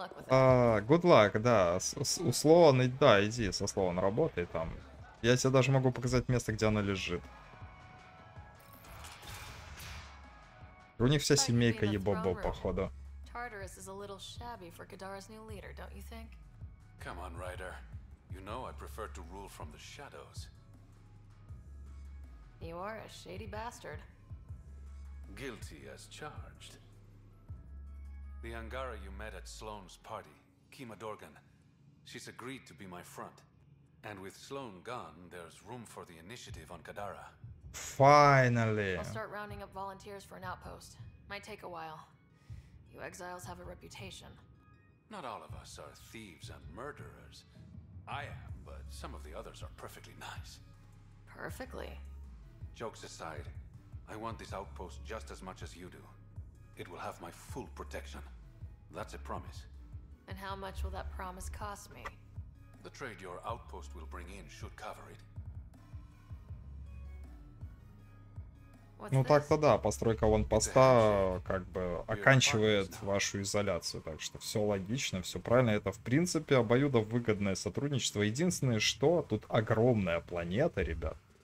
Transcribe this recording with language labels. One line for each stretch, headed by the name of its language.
Russian: А,
English: good luck,
Russian: да, условно, да, иди со словом работай там. Я тебе даже могу показать место, где она лежит. У них вся семейка ебобо, походу.
English: Tartarus is a little shabby for Kadara's new leader, don't you think? Come on, Ryder. You know I prefer to rule from the shadows. You are a shady bastard. Guilty as charged. The Angara you met at Sloane's party, Kima Dorgan, she's agreed to be my front. And with Sloane gone, there's room for the initiative on Kadara. Finally! I'll start rounding up volunteers for an outpost. Might take a while. You exiles have a reputation. Not all of us are thieves and murderers. I am, but some of the others are perfectly nice. Perfectly? Jokes aside, I want this outpost just as much as you do. It will have my full protection. That's a promise. And how much will that promise cost me? The trade your outpost will bring in should cover it.
Russian: Ну так-то да, постройка аванпоста как бы оканчивает вашу изоляцию, так что все логично, все правильно. Это в принципе обоюдовыгодное сотрудничество. Единственное, что тут огромная планета, ребят.